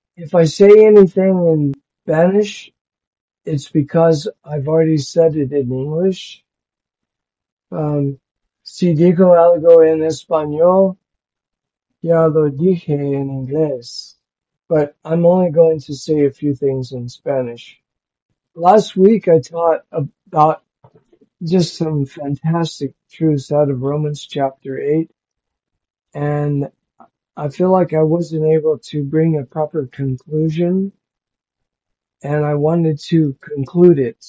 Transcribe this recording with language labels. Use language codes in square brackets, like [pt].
[en] If I say anything in Spanish, it's because I've already said it in English. [es] Si digo algo en español, ya lo dije en inglés. [en] But I'm only going to say a few things in Spanish. Last week I taught about just some fantastic truths out of Romans chapter 8, and I feel like I wasn't able to bring a proper conclusion, and I wanted to conclude it.